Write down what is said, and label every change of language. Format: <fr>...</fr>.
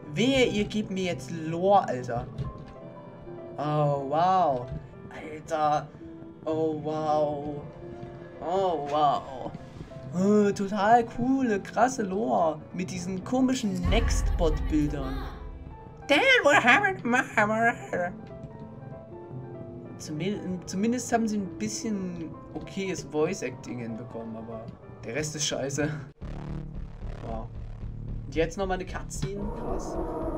<de>Wehe, ihr gebt mir jetzt Lore, Alter! Oh, wow! Alter! Oh, wow! Oh, wow. Oh, total coole, krasse Lore. Mit diesen komischen Nextbot-Bildern.</de> <en>Dad, what happened to my hammer?</en> <de>Zumindest haben sie ein bisschen okayes Voice-Acting hinbekommen, aber der Rest ist scheiße. Wow. Und jetzt nochmal eine Cutscene. Krass. Was war das? Was zum Teufel war das?</de> <en>What?</en>